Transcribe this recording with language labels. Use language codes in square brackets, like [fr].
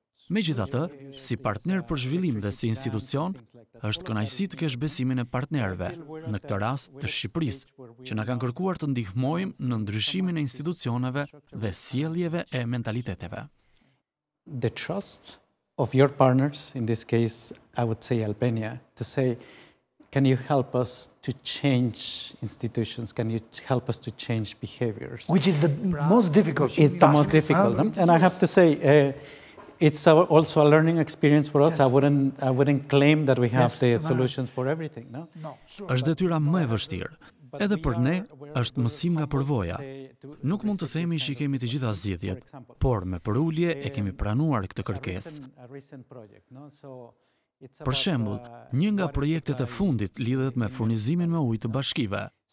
[sq] Megjithatë, si partner për zhvillim dhe si institucion, është kënaqësi të kesh besimin e partnerëve, në këtë rast të Shqipërisë, që na kanë kërkuar të ndihmojmë në ndryshimin e institucioneve dhe sjelljeve e mentaliteteve. [en] The trust of your partners, in this case, I would say Albania, to say, can you help us to change institutions? Can you help us to change behaviors? Which is the most difficult task. It's the most difficult. And I have to say, it's also a learning experience for us. Yes. I wouldn't claim that we have the solutions for everything, no? [sq] Është detyra më e vështirë. Edhe për ne, është mësim nga përvoja. Nuk mund të themi që kemi të gjitha zgjidhjet, por me përulje e kemi pranuar këtë kërkesë. Për shembull, një nga projektet e fundit lidhet me furnizimin me ujë të bashkive.